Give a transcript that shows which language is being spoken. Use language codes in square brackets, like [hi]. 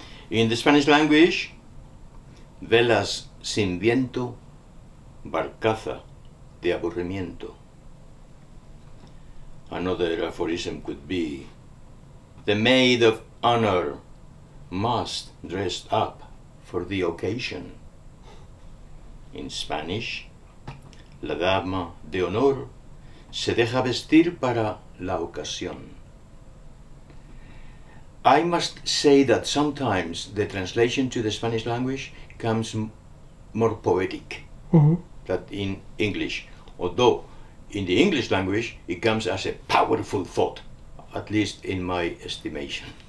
[en] In the Spanish language, [es] velas sin viento, barcaza de aburrimiento. [en] Another aphorism could be, the maid of honor must dress up for the occasion. In Spanish, [es] la dama de honor se deja vestir para la ocasión. [en] I must say that sometimes the translation to the Spanish language comes more poetic than in English, although in the English language it comes as a powerful thought, at least in my estimation.